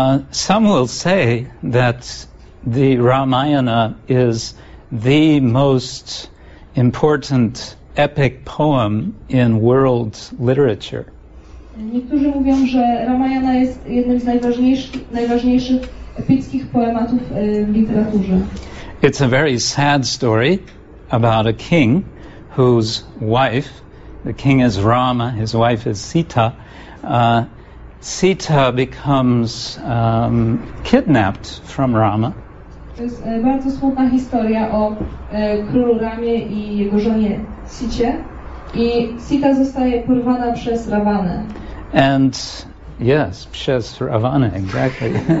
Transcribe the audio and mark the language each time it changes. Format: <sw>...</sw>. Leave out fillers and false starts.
<en>Some will say that the Ramayana is the most important epic poem in world literature.</en> <pl>Niektórzy mówią, że Ramayana jest jednym z najważniejszych epickich poematów w literaturze.</pl> <en>It's a very sad story about a king whose wife, the king is Rama, his wife is Sita. Sita becomes kidnapped from Rama.</en> <pl>To jest bardzo smutna historia o królu Ramie i jego żonie Sicie. I Sita zostaje porwana przez Ravanę.</pl> <en>And yes,</en> <pl>przez Ravanę,</pl> <en>exactly.</en>